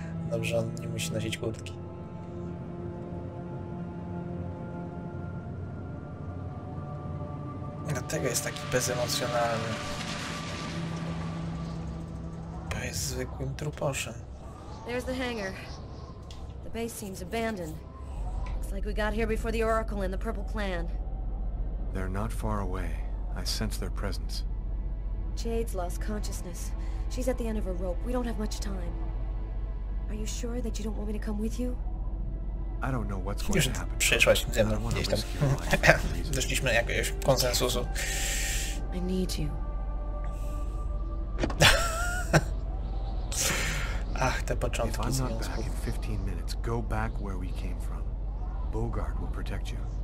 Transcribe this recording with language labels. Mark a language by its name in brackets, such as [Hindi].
[Polish] Dobrze, on nie musi nosić kurtki. Dlatego jest taki bezemocjonalny. Bo jest zwykłym truposzem. [English] There's the hangar. The base seems abandoned. Like we got here before the Oracle and the Purple Clan. They're not far away. I sense their presence. Jade's lost consciousness. She's at the end of her rope. We don't have much time. Are you sure that you don't want me to come with you? I don't know what's going [Polish] Już [English] to happen. [Polish] Przyszłaś ze mną gdzieś tam. Doszliśmy jakiegoś konsensusu. [English] I need you. [Polish] Ach, te początki związku. [English] If I'm not back in 15 minutes, go back where we came from. Bogard will protect you.